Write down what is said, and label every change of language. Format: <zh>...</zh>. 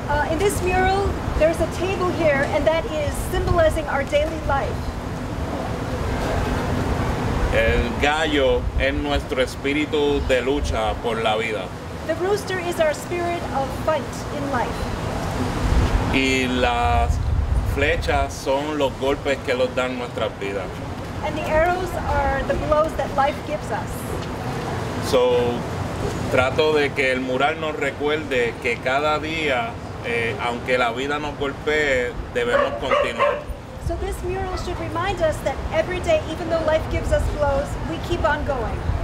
<en>In this mural, there's a table here, and that is symbolizing our daily life.</en> <es>El gallo es nuestro espíritu de lucha por la vida.</es> <en>The rooster is our spirit of fight in life.</en> <es>Y las flechas son los golpes que nos dan nuestras vidas.</es> <en>And the arrows are the blows that life gives us.</en> <es>So, trato de que el mural nos recuerde que cada día, aunque la vida nos golpee, debemos continuar.</es> <en>So this mural should remind us that every day, even though life gives us blows, we keep on going.</en>